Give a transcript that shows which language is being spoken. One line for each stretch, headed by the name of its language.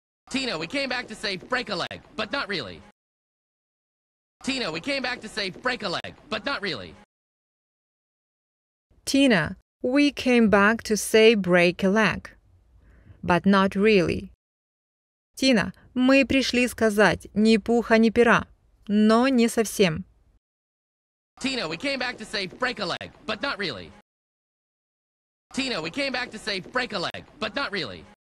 English: Tina, we came back to say break a leg, but not really. Tina, we came back to say break a leg, but not really. Tina, we came back to say break a leg, but not really.
Russian: Tina, мы пришли сказать ни пуха ни пера, но не совсем.
English: Tina, we came back to say break a leg, but not really. Tina, we came back to say break a leg, but not really.